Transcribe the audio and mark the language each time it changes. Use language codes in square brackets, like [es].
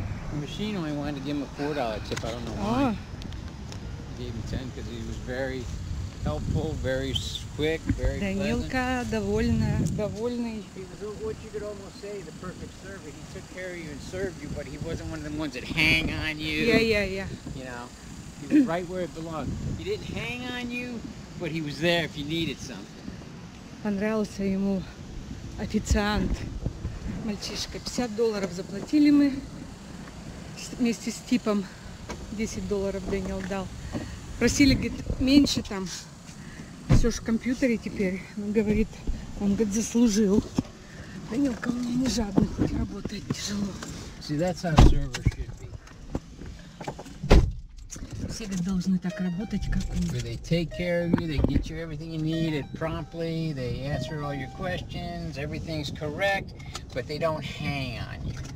[en] The machine only wanted to give him a $4 tip. I don't know why. He gave him 10 because he was very helpful, very quick, very pleasant. [ru] Данилка довольный. [en] What you could almost say, the perfect server. He took care of you and served you, but he wasn't one of the ones that hang on you. Yeah. You know. He was right where it belonged. He didn't hang on you, but he was there if you needed something. [ru] Понравился ему официант, мальчишка. $50 заплатили мы вместе с типом. $10 Дэниел дал. Просили, говорит, меньше там. Все ж в компьютере теперь. Он говорит, заслужил. Дэниел, ко мне не жадно, хоть работает тяжело. [en] See, that's how servers should be. [ru] Все должны так работать, как он. [en] Where they take care of you, they get you everything you need promptly, they answer all your questions, everything's correct, but they don't hang on you.